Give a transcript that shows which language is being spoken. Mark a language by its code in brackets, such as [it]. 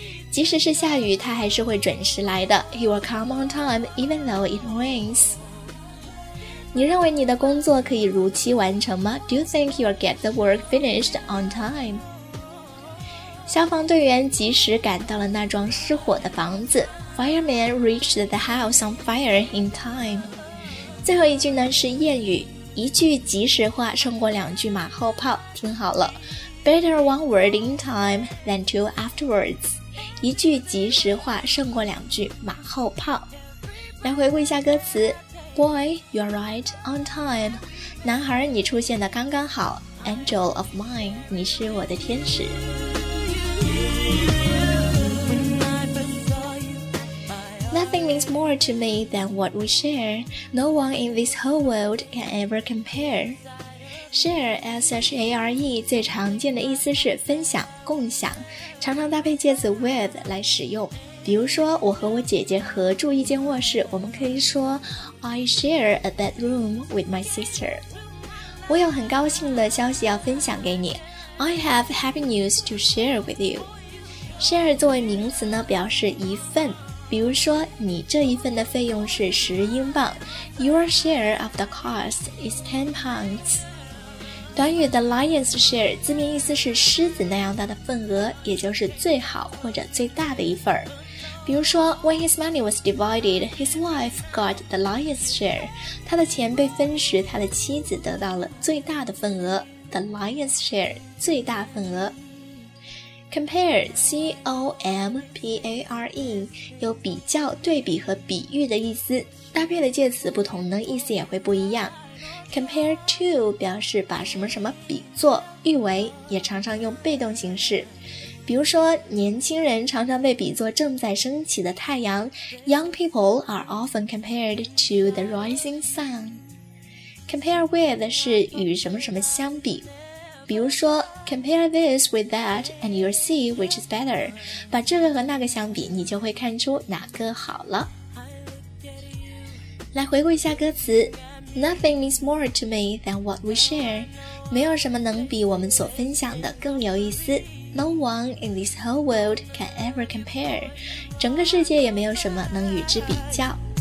[zh] 即使是下雨他还是会准时来的。 [en] He will come on time even though it rains. [zh] 你认为你的工作可以如期完成吗？ [en] Do you think you will get the work finished on time? [zh] 消防队员及时赶到了那幢失火的房子。 [en] Fireman reached the house on fire in time. [zh] 最后一句呢是谚语，一句即时话胜过两句马后炮，听好了。 [en] Better one word in time than two afterwards. [zh] 一句即时话胜过两句马后炮。来回顾一下歌词。 [en] Boy, you're right on time. [zh] 男孩，你出现的刚刚好。 [en] Angel of mine, [zh] 你是我的天使。 [en] Nothing means more to me than what we share. No one in this whole world can ever compare. Share, S-H-A-R-E, [zh] 最常见的意思是分享、共享，常常搭配介词 with 来使用。比如说，我和我姐姐合住一间卧室，我们可以说 [en] I share a bedroom with my sister. [zh] 我有很高兴的消息要分享给你。 [en] I have happy news to share with you. [zh] Share 作为名词呢，表示一份。比如说，你这一份的费用是十英镑。 [en] Your share of the cost is 10 pounds. [zh] 短语的 lion's share 字面意思是狮子那样大的份额，也就是最好或者最大的一份。比如说， [en] When his money was divided, his wife got the lion's share. [zh] 他的钱被分时，他的妻子得到了最大的份额。 [en] The lion's share, [zh] 最大份额。Compare, C-O-M-P-A-R-E, 有比较、对比和比喻的意思。搭配的介词不同呢，意思也会不一样。Compare to 表示把什么什么比作、誉为，也常常用被动形式。比如说，年轻人常常被比作正在升起的太阳。 [en] Young people are often compared to the rising sun. Compare with [zh] 是与什么什么相比。比如说 [en] Compare this with that and you'll see which is better. [zh] 把这个和那个相比，你就会看出哪个好了。来回顾一下歌词。 [en] Nothing means more to me than what we share. [zh] 没有什么能比我们所分享的更有意思。 [en] No one in this whole world can ever compare. [zh] 整个世界也没有什么能与之比较。